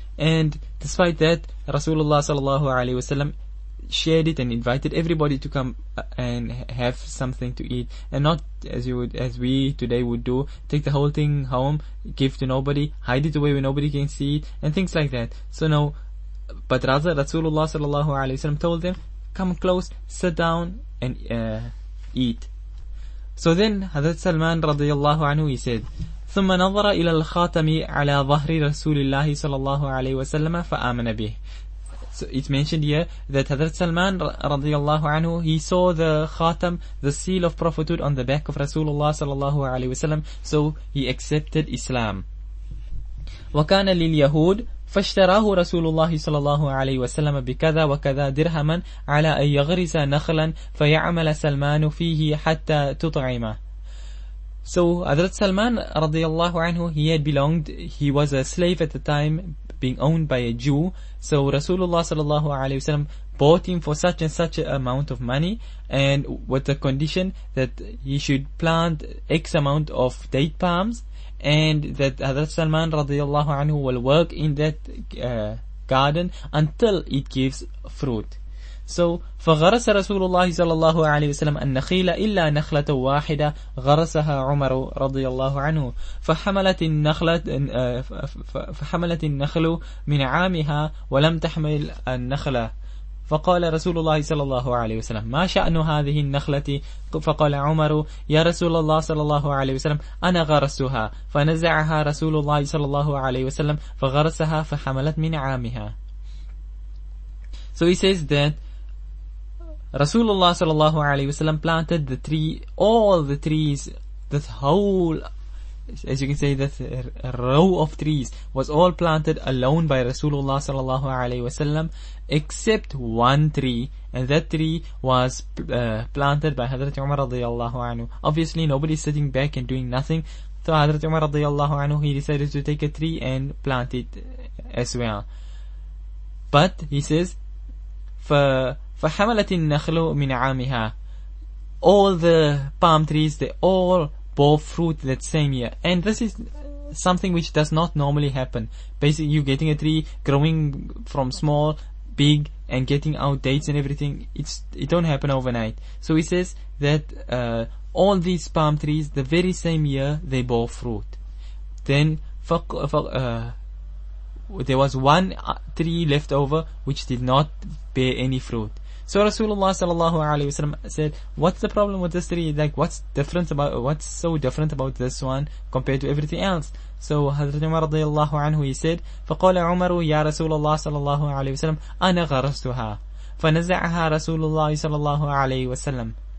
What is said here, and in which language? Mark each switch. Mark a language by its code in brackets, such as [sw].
[en] And despite that, Rasulullah sallallahu alayhi wasallam shared it and invited everybody to come and have something to eat, and not as you would, as we today would do, take the whole thing home, give to nobody, hide it away where nobody can see it, and things like that. So no, but rather Rasulullah sallallahu alayhi wasallam told them, come close, sit down and eat. So then Hazrat Salman radiyallahu anhu, he said, [ar] ثم نظر إلى الخاتم على ظهر رسول الله صلى الله عليه وسلم فآمن به. [en] So it's mentioned here that Hazrat Salman radiyallahu anhu, he saw the khatam, the seal of prophethood on the back of Rasulullah [ar] صلى الله عليه وسلم, [en] so he accepted Islam. [ar] وكان لليهود فاشتراه رسول الله صلى الله عليه وسلم بكذا وكذا درهما على أن يغرس نخلا فيعمل سلمان فيه حتى تطعمه. [en] So Hazrat Salman [ar] رضي الله عنه, [en] he was a slave at the time being owned by a Jew. So Rasulullah [ar] صلى الله عليه وسلم [en] bought him for such and such amount of money, and with the condition that he should plant X amount of date palms, and that Hazrat Salman radiyallahu anhu will work in that garden until it gives fruit. [ar] So فغرس رسول الله صلى الله عليه وسلم النخيل إلا نخلة واحدة غرسها عمر رضي الله عنه فحملت النخلة فحملت النخل من عامها ولم تحمل النخلة فقال رسول الله صلى الله عليه وسلم ما شأن هذه النخلة فقال عمر يا رسول الله صلى الله عليه وسلم أنا غرسها فنزعها رسول الله صلى الله عليه وسلم فغرسها فحملت من عامها. [en] So he says that Rasulullah [ar] صلى الله عليه وسلم [en] planted the tree, all the trees, this whole as you can say, that a row of trees was all planted alone by Rasulullah sallallahu alayhi wasallam, except one tree, and that tree was planted by Hadrat Umar radiyallahu anhu. Obviously, nobody is sitting back and doing nothing. So Hadrat Umar radiyallahu anhu, he decided to take a tree and plant it as well. But he says, [ar] فحملت النخل من عامها. [en] All the palm trees, they all bore fruit that same year. And this is something which does not normally happen. Basically, you getting a tree growing from small, big, and getting out dates and everything, it don't happen overnight. So he says that all these palm trees, the very same year, they bore fruit. Then there was one tree left over which did not bear any fruit. So Rasulullah sallallahu alaihi wasallam said, what's the problem with this tree? Like, what's so different about this one compared to everything else? So Hazrat Umar radiyallahu anhu, he said, [ar] فقال عمر يا رسول الله صلى الله عليه وسلم أنا غرستها فنزعها رسول الله صلى الله عليه وسلم.